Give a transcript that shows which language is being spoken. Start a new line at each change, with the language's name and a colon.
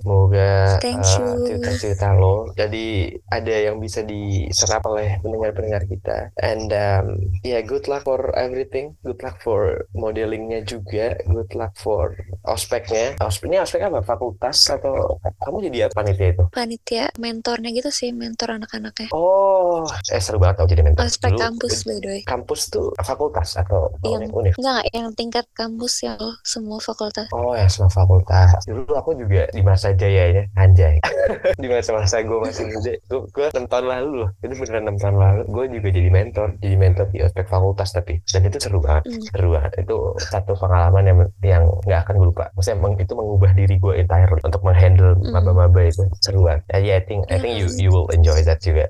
Indonesian: Semoga cerita-cerita lo jadi ada yang bisa diserap oleh pendengar-pendengar kita.
English: And yeah, good luck for everything. Good luck for modelingnya juga. Good luck for ospeknya.
Indonesian: Ini ospek apa? Fakultas atau kamu jadi apa panitia itu? Panitia mentornya gitu sih, mentor anak-anaknya. Oh, seru banget tau jadi mentor. Ospek dulu, kampus by the way. Kampus tuh fakultas atau univ? Enggak, yang tingkat kampus ya lo, semua fakultas. Oh, yang semua fakultas. Dulu aku juga di masa jayanya, anjay. Di masa-masa gue masih gede, gue 6 tahun lalu loh, itu beneran 6 tahun lalu gue juga jadi mentor di ospek fakultas, tapi dan itu seru banget. Itu satu pengalaman yang gak akan gue lupa. Maksudnya itu mengubah diri gue entirely untuk menghandle maba-maba itu. Seru banget.
English: Yeah, I think you will enjoy that juga.